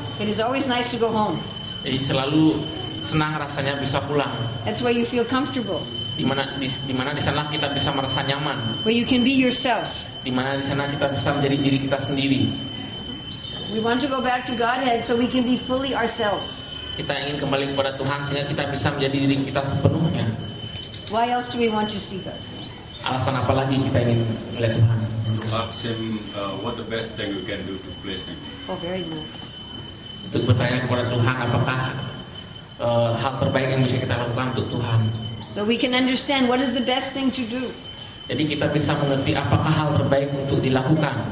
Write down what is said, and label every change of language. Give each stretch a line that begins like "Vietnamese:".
English: It is always nice to go home.
Indonesian: Jadi selalu senang rasanya bisa pulang.
English: That's where you feel comfortable.
Indonesian: Di mana di sana kita bisa merasa nyaman.
English: Where you can be yourself.
Indonesian: Di mana di sana kita bisa menjadi diri kita sendiri.
English: We want to go back to Godhead so we can be fully ourselves.
Indonesian: Kita ingin kembali kepada Tuhan sehingga kita bisa menjadi diri kita sepenuhnya.
English: Why else do we want to see God?
Indonesian: Alasan apa lagi kita ingin melihat Tuhan?
English: Ask him what the best thing you can do to please him. Oh, very nice.
Indonesian: Untuk bertanya kepada Tuhan apakah hal terbaik yang bisa kita lakukan untuk Tuhan.
English: So we can understand what is the best thing to do.
Indonesian: Jadi kita bisa mengerti apakah hal terbaik untuk dilakukan.